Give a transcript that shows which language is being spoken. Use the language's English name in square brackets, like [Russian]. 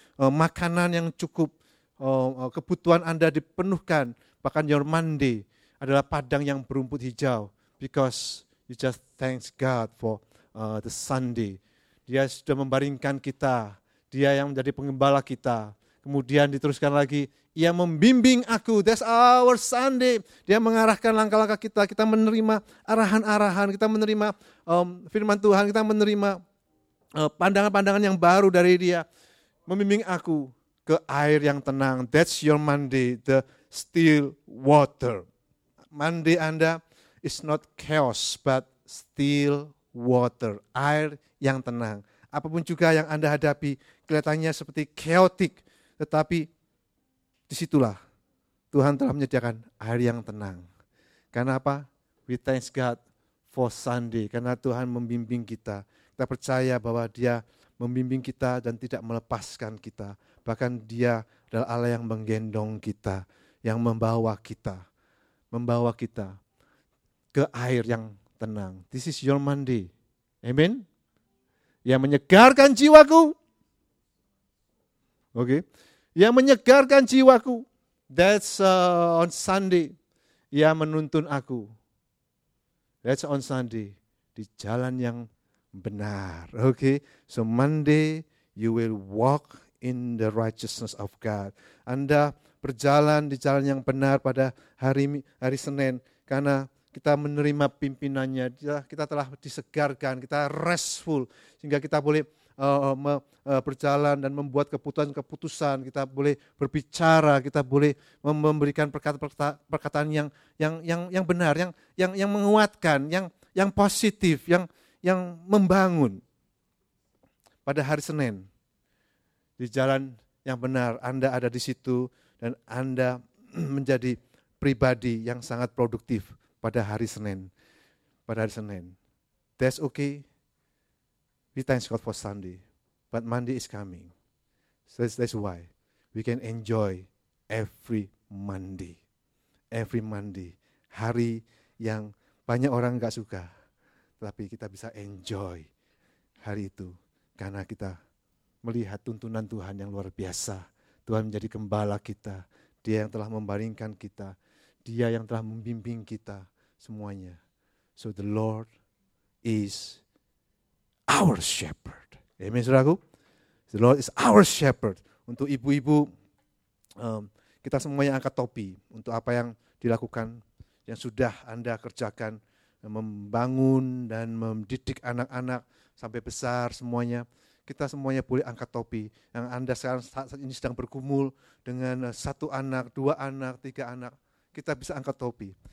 [Indonesian] Makanan yang cukup, kebutuhan Anda dipenuhkan. Bahkan [English] your Monday [Indonesian] adalah padang yang berumput hijau. [English] Because you just thanks God for the Sunday. [Indonesian] Dia sudah membaringkan kita. Dia yang menjadi penggembala kita. Kemudian diteruskan lagi, ia membimbing aku. [English] That's our Sunday. [Indonesian] Dia mengarahkan langkah-langkah kita. Kita menerima arahan-arahan. Kita menerima firman Tuhan. Kita menerima pandangan-pandangan yang baru dari dia. Membimbing aku ke air yang tenang. [English] That's your Monday, the still water. Monday Anda is not chaos, but still water. [Indonesian] Air yang tenang. Apapun juga yang Anda hadapi, kelihatannya seperti chaotic. Tetapi disitulah Tuhan telah menyediakan air yang tenang. Karena apa? [English] We thanks God for Sunday. [Indonesian] Karena Tuhan membimbing kita. Kita percaya bahwa dia membimbing kita dan tidak melepaskan kita. Bahkan dia adalah Allah yang menggendong kita, yang membawa kita ke air yang tenang. [English] This is your Monday. Amen. [Indonesian] Yang menyegarkan jiwaku. [English] Okay. [Indonesian] Yang menyegarkan jiwaku. [English] That's on Sunday. [Indonesian] Yang menuntun aku. [English] That's on Sunday. [Indonesian] Di jalan yang benar. Okay. [English] So Monday you will walk in the righteousness of God. [Indonesian] Anda berjalan di jalan yang benar pada hari Senin karena kita menerima pimpinannya. Kita telah disegarkan, kita restful sehingga kita boleh berjalan dan membuat keputusan-keputusan, kita boleh berbicara, kita boleh memberikan perkataan yang benar, yang menguatkan, yang positif, yang membangun. Pada hari Senin, di jalan yang benar, Anda ada di situ dan Anda menjadi pribadi yang sangat produktif pada hari Senin. Pada hari Senin. [English] That's okay. We thank God for Sunday. But Monday is coming. So that's why we can enjoy every Monday. Every Monday. [Indonesian] Hari yang banyak orang enggak suka. Tapi kita bisa enjoy hari itu karena kita melihat tuntunan Tuhan yang luar biasa. Tuhan menjadi gembala kita. Dia yang telah membaringkan kita. Dia yang telah membimbing kita semuanya. [English] So the Lord is our shepherd. [Indonesian] Amin, saudaraku. [English] The Lord is our shepherd. [Indonesian] Untuk ibu-ibu, kita semuanya angkat topi untuk apa yang dilakukan, yang sudah Anda kerjakan. Membangun dan mendidik anak-anak sampai besar semuanya, kita semuanya boleh angkat topi. Yang Anda sekarang saat ini sedang bergumul dengan satu anak, dua anak, tiga anak, kita bisa angkat topi.